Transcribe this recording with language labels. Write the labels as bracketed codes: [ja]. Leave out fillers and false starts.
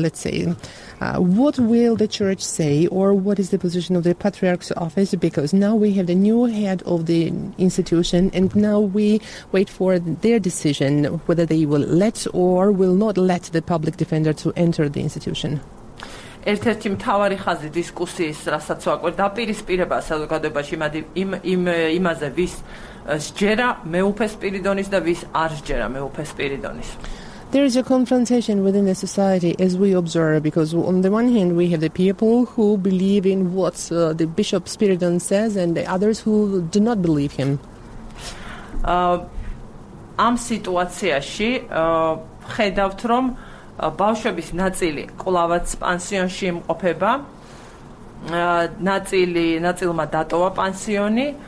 [en] Let's say, what will the church say, or what is the position of the Patriarch's office? Because now we have the new head of the institution, and now we wait for their decision whether they will let or will not let the public defender to enter the institution. [ka] ერთ-ერთი მთავარი ხაზი დისკუსიის, რასაც ვაკვირდა, პირისპირება საზოგადოებაში იმაზე, ვის სჯერა მეუფე სპირიდონის და ვის არ სჯერა მეუფე სპირიდონის. [en] There is a confrontation within the society, as we observe, because on the one hand we have the people who believe in what the Bishop Spiridon says, and the others who do not believe him. [ka] ამ სიტუაციაში ხედავთ, რომ ბავშვების ნაწილი კვლავაც პანსიონში იმყოფება. ნაწილმა დატოვა პანსიონი.